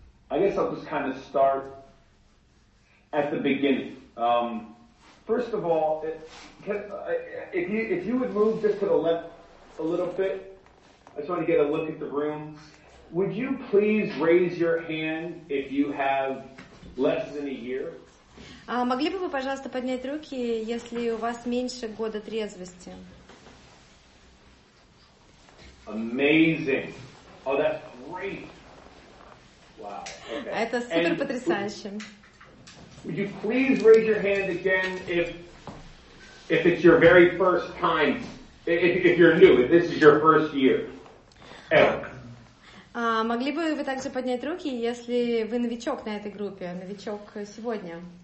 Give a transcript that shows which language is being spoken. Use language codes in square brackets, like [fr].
[en] I guess I'll just kind of start at the beginning. First of all, if you would move just to the left a little bit, I just want to get a look at the room. Would you please raise your hand if you have less than a year? [ru] Могли бы вы, пожалуйста, поднять руки, если у вас меньше года трезвости? [en] Amazing. Oh, that's great. Wow. [ru] Это супер потрясающе. [en] Would you please raise your hand again if it's your very first time, if you're new, if this is your first year ever? [ru] Могли бы вы также поднять руки, если вы новичок на этой группе, новичок сегодня?